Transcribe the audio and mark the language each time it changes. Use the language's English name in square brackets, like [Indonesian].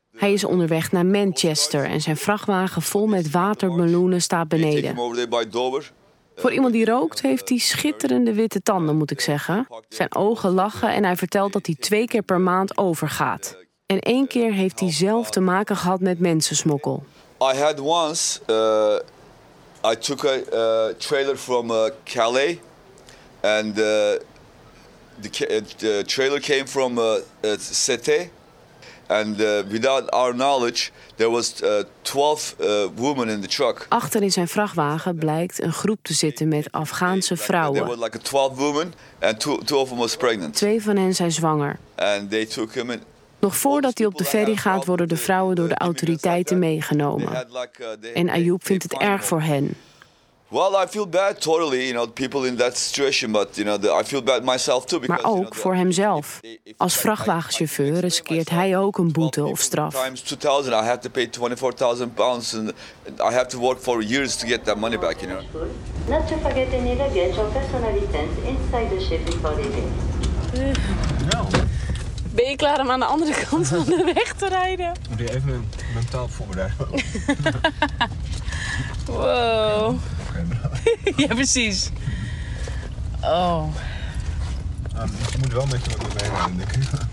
[Dutch] Hij is onderweg naar Manchester en zijn vrachtwagen vol met watermeloenen staat beneden. Voor iemand die rookt heeft hij schitterende witte tanden, moet ik zeggen. Zijn ogen lachen en hij vertelt dat hij 2 keer per maand overgaat. En 1 keer heeft hij zelf te maken gehad met mensensmokkel. [English] I had once I took a trailer from Calais and the trailer came from Sète and without our knowledge there was 12 women in the truck. [Dutch] Achter in zijn vrachtwagen blijkt een groep te zitten met Afghaanse vrouwen. [English] There were like 12 women and two of them was pregnant. [Dutch] 2 van hen zijn zwanger. [English] And they took him in. [Dutch] Nog voordat hij op de ferry gaat, worden de vrouwen door de autoriteiten meegenomen. En Ayoub vindt het erg voor hen. [English] Well, I feel bad totally, you know, people in that situation, but you know, I feel bad myself too. [Dutch] Maar ook voor hemzelf. Als vrachtwagenchauffeur riskeert hij ook een boete of straf. [English] Times 2000, I have to pay 24,000 pounds and I have to work for years to get that money back, you know. Not to forget any luggage or personal items inside the ship before leaving. [Dutch] Ben je klaar om aan de andere kant van de weg te rijden? Moet je even mentaal voorbereiden. Wow. Ja, precies. Oh. Je moet wel met je wat erbij hebben, denk ik.